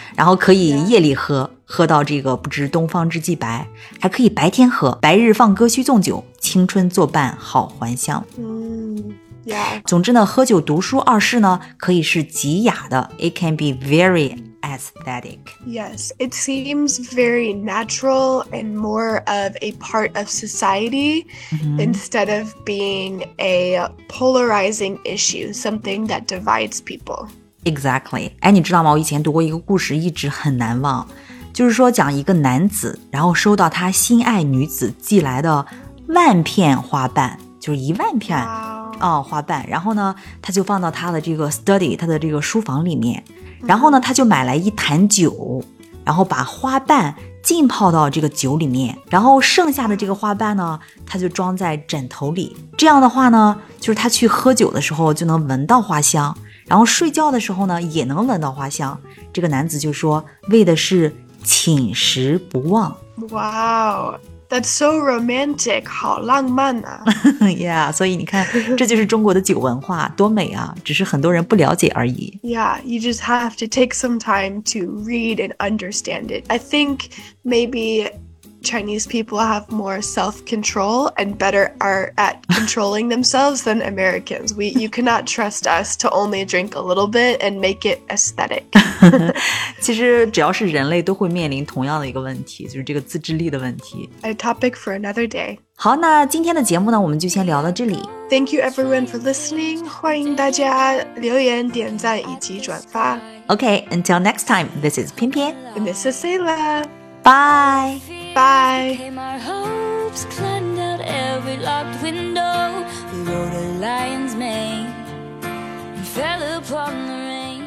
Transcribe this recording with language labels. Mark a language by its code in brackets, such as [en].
[zh] 然后可以夜里喝、yeah. 喝到这个不知东方之既白，还可以白天喝，白日放歌须纵酒，青春作伴好还乡。嗯、yeah. 总之呢，喝酒读书二事呢，可以是极雅的， [en] It can be very aesthetic. Yes, it seems very natural and more of a part of society、mm-hmm. instead of being a polarizing issue, something that divides people. Exactly. [zh] 哎，你知道吗？我以前读过一个故事，一直很难忘，就是说讲一个男子，然后收到他心爱女子寄来的万片花瓣，就是一万片、 [en] wow. [zh] 哦、花瓣，然后呢，他就放到他的这个 study, 他的这个书房里面。然后呢，他就买来一坛酒，然后把花瓣浸泡到这个酒里面，然后剩下的这个花瓣呢，他就装在枕头里。这样的话呢，就是他去喝酒的时候就能闻到花香，然后睡觉的时候呢也能闻到花香。这个男子就说，为的是寝食不忘。 [en] Wow, that's so romantic, [zh] 好浪漫啊。 Yeah, 所以你看，这就是中国的酒文化，多美啊，只是很多人不了解而已。 [en] Yeah, you just have to take some time to read and understand it. I think maybe Chinese people have more self-control and better are at controlling themselves than Americans. You cannot trust us to only drink a little bit and make it aesthetic. [zh] 其实只要是人类都会面临同样的一个问题，就是这个自制力的问题。 [en] A topic for another day. [zh] 好，那今天的节目呢，我们就先聊到这里。 [en] Thank you everyone for listening. [zh] 欢迎大家留言、点赞以及转发。 [en] Okay, until next time, this is Pian Pian. And this is Sayla. Bye. Bye. Came our hopes, climbed out every locked window. We rode a lion's mane and fell upon the rain.